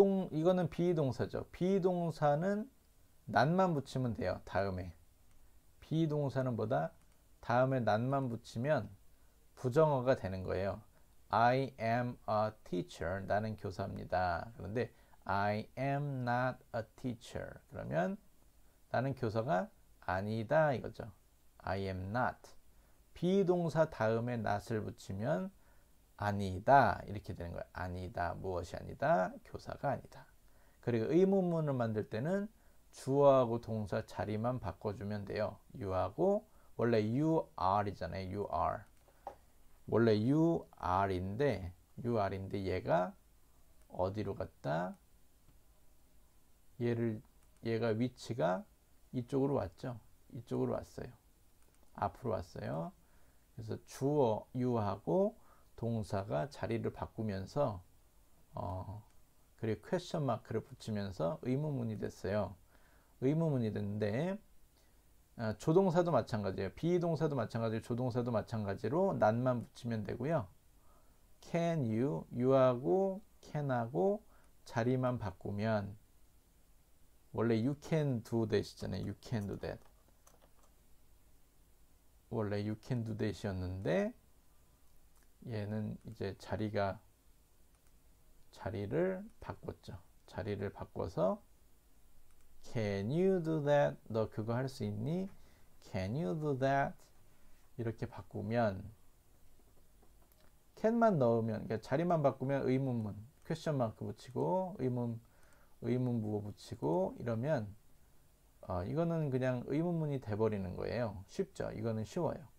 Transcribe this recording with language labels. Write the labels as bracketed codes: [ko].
[ko] 이거는 비동사죠. 비동사는 not만 붙이면 돼요. 다음에. 비동사는 뭐다? 다음에 not만 붙이면 부정어가 되는 거예요. [en] I am a teacher. [ko] 나는 교사입니다. 그런데 [en] I am not a teacher. [ko] 그러면 나는 교사가 아니다 이거죠. [en] I am not. [ko] 비동사 다음에 not을 붙이면 아니다 이렇게 되는 거예요. 아니다. 무엇이 아니다? 교사가 아니다. 그리고 의문문을 만들 때는 주어하고 동사 자리만 바꿔주면 돼요. you하고 원래 [en] you are [ko] 이잖아요. [en] you are. [ko] 원래 you are인데 얘가 어디로 갔다? 얘가 위치가 이쪽으로 왔죠. 이쪽으로 왔어요. 앞으로 왔어요. 그래서 주어 you하고 동사가 자리를 바꾸면서 그리고 question mark를 붙이면서 의문문이 됐어요. 의문문이 됐는데 조동사도 마찬가지예요. 비동사도 마찬가지로 조동사도 마찬가지로 not만 붙이면 되고요. can you, you하고 can하고 자리만 바꾸면 원래 [en] you can do that [ko] 이잖아요. [en] you can do that. [ko] 원래 [en] you can do that [ko] 이었는데 얘는 이제 자리를 바꿨죠. 자리를 바꿔서 [en] can you do that? [ko] 너 그거 할수 있니? [en] Can you do that? [ko] 이렇게 바꾸면 can만 넣으면 그러니까 자리만 바꾸면 의문문 question mark 붙이고 의문 부호 붙이고 이러면 이거는 그냥 의문문이 돼 버리는 거예요. 쉽죠? 이거는 쉬워요.